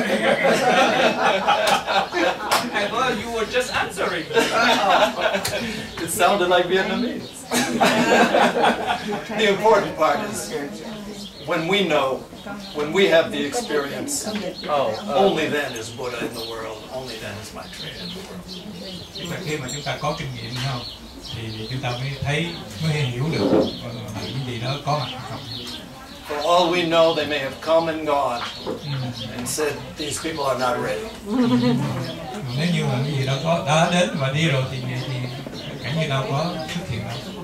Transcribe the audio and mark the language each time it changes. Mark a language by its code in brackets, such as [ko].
[en] I thought you were just answering. It sounded like Vietnamese. The important part is when we know, when we have the experience, only then is Buddha in the world, only then is Maitreya in the world. [vi] Khi mà chúng ta có kinh nghiệm nhau thì chúng ta mới thấy mới hiểu được những gì đó có mặt không. [en] For all we know, they may have come and gone and said these people are not ready. [vi] Nếu như mà những gì đó có đã đến và đi rồi thì cảnh như đâu có xuất hiện đâu.